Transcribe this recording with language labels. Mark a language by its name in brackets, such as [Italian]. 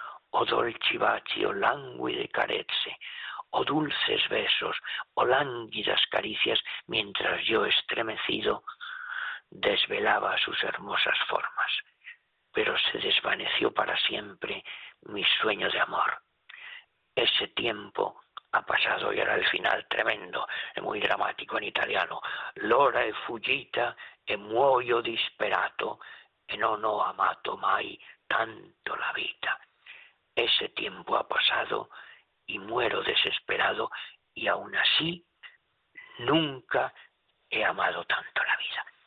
[Italian] O dolci baci, o languide carezze, [Spanish] o dulces besos, o lánguidas caricias, mientras yo, estremecido, desvelaba sus hermosas formas. Pero se desvaneció para siempre mi sueño de amor. Ese tiempo ha pasado y ahora el final tremendo, muy dramático en italiano. [Italian] L'ora è fuggita e muoio disperato, e non ho amato mai tanto la vita. [Spanish] Ese tiempo ha pasado y muero desesperado, y aún así nunca he amado tanto la vida.